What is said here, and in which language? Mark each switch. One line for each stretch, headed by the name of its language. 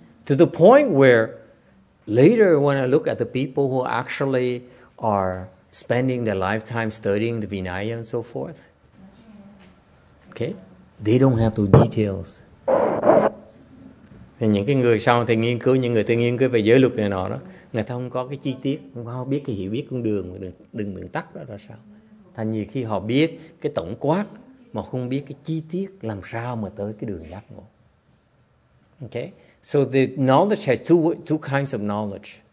English: To the point where later when I look at the people who actually are spending their lifetime studying the Vinaya and so forth. Okay? They don't have the details.
Vietnamese: Những cái người sau thì nghiên cứu, những người tự nghiên cứu về giới luật này nọ đó, người ta không có cái chi tiết, không có biết cái hiểu biết con đường tắt đó là sao. Thành nhiều khi họ biết cái tổng quát mà không biết cái chi tiết làm sao mà tới cái đường giác ngộ.
English: Okay. So the knowledge has two kinds of knowledge.